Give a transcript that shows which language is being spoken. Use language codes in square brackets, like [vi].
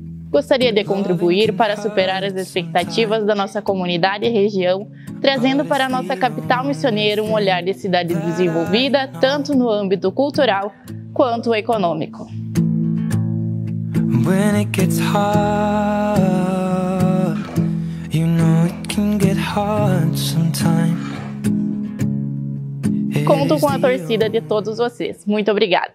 [pt] Gostaria de contribuir para superar as expectativas da nossa comunidade e região, trazendo para a nossa capital missioneira um olhar de cidade desenvolvida, tanto no âmbito cultural quanto econômico. [en] When it gets hard, you know it can get hard sometimes. [pt] Conto com a torcida de todos vocês. Muito obrigada.